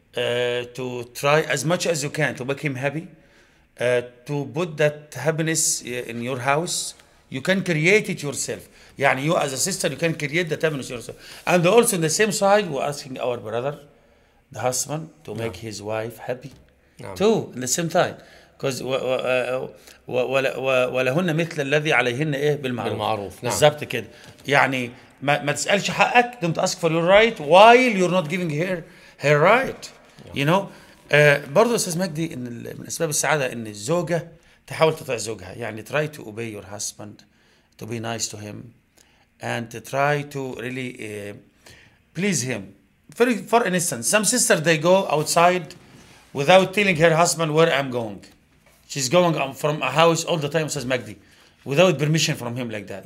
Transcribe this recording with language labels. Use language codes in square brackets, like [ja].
[en] To try as much as you can to make him happy. To put that happiness in your house. You can create it yourself. يعني you as a sister, you can create the happiness yourself. And also on the same side, we're asking our brother, the husband, to make his wife happy. Too, in the same time. [ar] Because ولهن مثل الذي عليهن إيه بالمعروف. بالظبط كده. يعني ما تسألش حقك, [en] don't ask for your right while you're not giving her right. You know? [ar] برضو أستاذ مجدي, إن من أسباب السعادة إن الزوجة تحاول تطيع زوجها. [en] يعني try to obey your husband, to be nice to him, and to try to really please him. For instance, some sister, they go outside without telling her husband where I'm going. She's going from a house all the time, says Magdi, without permission from him like that.